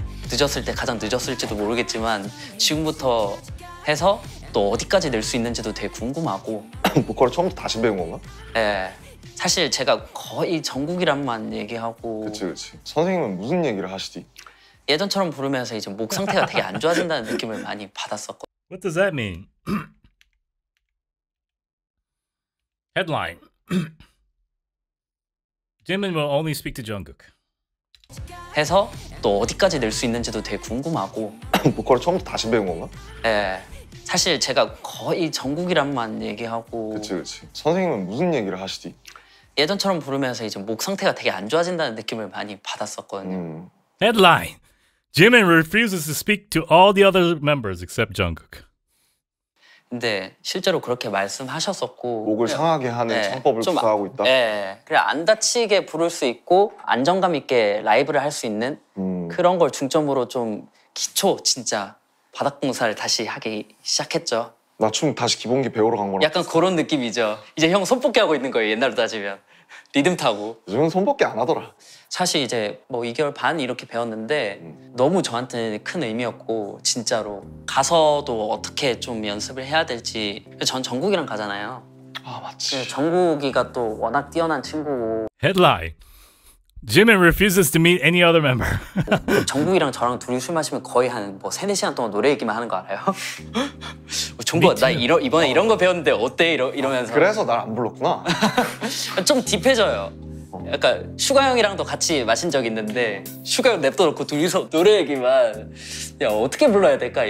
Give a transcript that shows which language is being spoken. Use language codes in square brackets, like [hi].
[ko] 늦었을 때 가장 늦었을지도 모르겠지만 지금부터 해서 또 어디까지 낼 수 있는지도 되게 궁금하고 보컬을 처음부터 다시 배운 건가? 네. 사실 제가 거의 전국이란만 얘기하고 그치 그치. 선생님은 무슨 얘기를 하시디? 예전처럼 부르면서 이제 목 상태가 되게 안 좋아진다는 느낌을 많이 받았었고 [en] What does that mean? Headline Jimin will only speak to Jungkook [ko] 해서 또 어디까지 낼 수 있는지도 되게 궁금하고 보컬을 처음부터 다시 배운 건가? 네, 사실 제가 거의 전국이란만 얘기하고 그치 그치 선생님은 무슨 얘기를 하시디? 예전처럼 부르면서 이제 목 상태가 되게 안 좋아진다는 느낌을 많이 받았었거든요. [en] Headline Jimin refuses to speak to all the other members except Jungkook [ko] 근데 실제로 그렇게 말씀하셨었고 목을 상하게 하는 네, 창법을 구사하고 있다? 네, 그래 안 다치게 부를 수 있고 안정감 있게 라이브를 할 수 있는 그런 걸 중점으로 좀 기초 진짜 바닥 공사를 다시 하기 시작했죠. 나 춤 다시 기본기 배우러 간 거라 약간 같았어. 그런 느낌이죠. 이제 형 손뽑기 하고 있는 거예요, 옛날로 따지면. 리듬 타고. 요즘은 손뽑기 안 하더라. 사실 이제 뭐 2개월 반 이렇게 배웠는데 너무 저한테는 큰 의미였고 진짜로 가서도 어떻게 좀 연습을 해야 될지 전 정국이랑 가잖아요. 아 맞지. 정국이가 또 워낙 뛰어난 친구고. [en] Headline. Jimin refuses to meet any other member. [ko] 정국이랑 저랑 둘이 술 마시면 거의 한 뭐 3, 4시간 동안 노래 얘기만 하는 거 알아요? 정국아 나 이번에 이런 거 배웠는데 어때? 이러면서 그래서 날 안 불렀구나. 좀 딥해져요. 약간 슈가 형이랑도 같이 마신 적 있는데 슈가 형 냅둬놓고 둘이서 노래 얘기만 야 어떻게 불러야 될까?